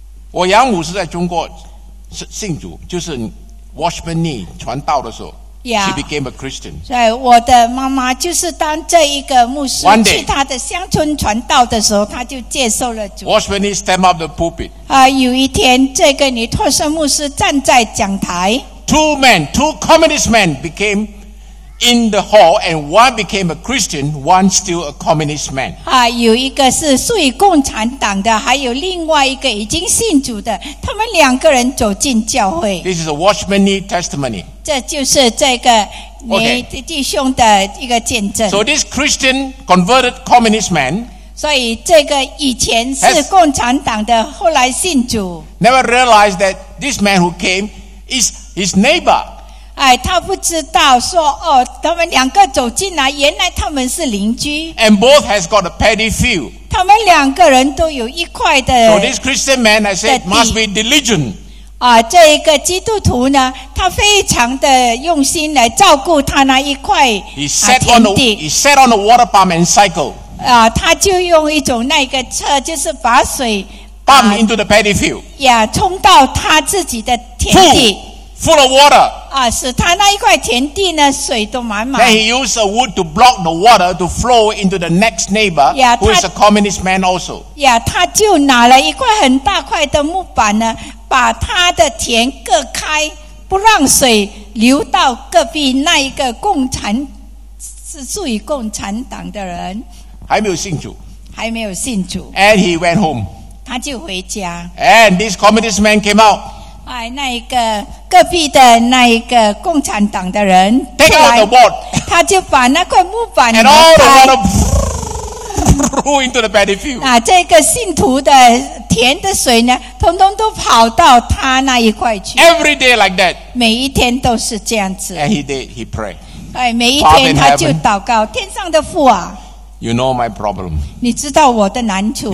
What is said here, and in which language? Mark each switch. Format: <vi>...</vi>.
<zh>我养母是在中国信主，就是 Watchman Nee 传道的时候</zh> <en>yeah, ，She became a Christian。</en> <zh>对，我的妈妈就是当这一个牧师</zh> <en>day,</en> <zh>去他的乡村传道的时候，他就接受了主。</zh> <en>Watchman Nee stand up the pulpit。</en> <zh>啊，有一天，这个尼托生牧师站在讲台。</zh> <en>Two communist men became。 In the hall, and one became a Christian, one still a communist man.</en> <zh>啊，有一个是属于共产党的，还有另外一个已经信主的。他们两个人走进教会。</zh> <en>This is a Watchman Nee testimony.</en> <zh>这就是这个你弟兄的一个见证。</zh> <en>Okay. So this Christian converted communist man.</en> <zh>所以这个以前是共产党的，后来信主。</zh> <en>Never realized that this man who came is his neighbor.</en> <zh>哎，他不知道说哦，他们两个走进来，原来他们是邻居。</zh> <en>And both has got a paddy field.</en> <zh>他们两个人都有一块的。</zh> <en>So this Christian man, I said, must be diligent.</en> <zh>啊，这一个基督徒呢，他非常的用心来照顾他那一块田地。</zh> <en>He sat on the water pump and cycle.</en> <zh>啊，他就用一种那个车，就是把水</zh> <en>pump into the paddy field.</en> <zh>呀，冲到他自己的田地。</zh> <en>Full of water.</en> <zh>啊，使他那一块田地呢，水都满满。</zh> <en>Then he used a wood to block the water to flow into the next neighbor, yeah, who is a communist man also.</en> <zh>Yeah, 他就拿了一块很大块的木板呢，把他的田隔开，不让水流到隔壁那一个共产，是属于共产党的人。还没有信主。还没有信主。</zh> <en>And he went home.</en> <zh>他就回家。</zh> <en>And this communist man came out.</en> <zh>哎，那一个隔壁的那一个共产党的人</zh> <en>Take out the board.</en> <zh>他就把那块木板拿开</zh> <en>And all the water flew into the paddy field.</en> <zh>啊，这个信徒的田的水呢，通通都跑到他那一块去。</zh> <en>Every day like that.</en> <zh>每一天都是这样子。</zh> <en>And he did, he prayed.</en> <zh>哎，每一天他就祷告，天上的父啊。</zh> <en>You know my problem.</en> <zh>你知道我的难处。</zh>